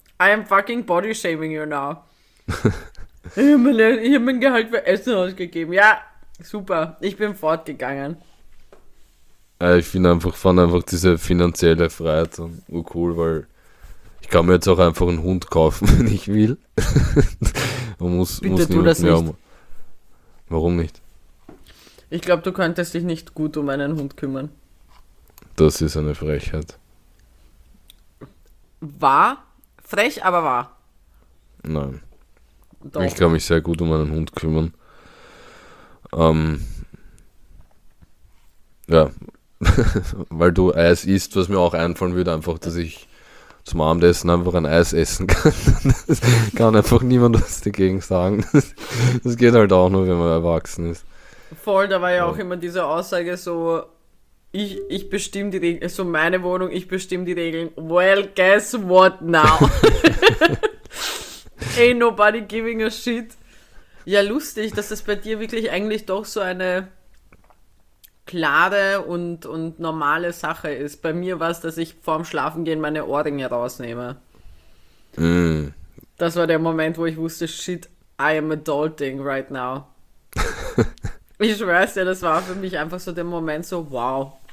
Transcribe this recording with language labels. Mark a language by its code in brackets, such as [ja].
[en] I am fucking body shaming you now. [de] Ich hab mein Gehalt für Essen ausgegeben. Ja, super. Ich bin fortgegangen. Ich fand einfach diese finanzielle Freiheit so cool, weil ich kann mir jetzt auch einfach einen Hund kaufen, wenn ich will. Und muss tu das nicht. Warum nicht? Ich glaube, du könntest dich nicht gut um einen Hund kümmern. Das ist eine Frechheit. Wahr? Frech, aber wahr. Nein. Doch. Ich kann mich sehr gut um einen Hund kümmern. Ja, weil du Eis isst, was mir auch einfallen würde, einfach, dass ich zum Abendessen einfach ein Eis essen kann. Das kann einfach niemand was dagegen sagen. Das geht halt auch nur, wenn man erwachsen ist. Voll, da war ja auch immer diese Aussage so, ich bestimme die Regeln, so meine Wohnung, ich bestimme die Regeln. [en] Well, guess what now? Ain't nobody giving a shit. [de] Ja, lustig, dass das bei dir wirklich eigentlich doch so eine klare und normale Sache ist. Bei mir war es, dass ich vorm Schlafengehen meine Ohrringe rausnehme. Mm. Das war der Moment, wo ich wusste, shit, I am adulting right now. Ich schwör's dir, das war für mich einfach so der Moment so, wow,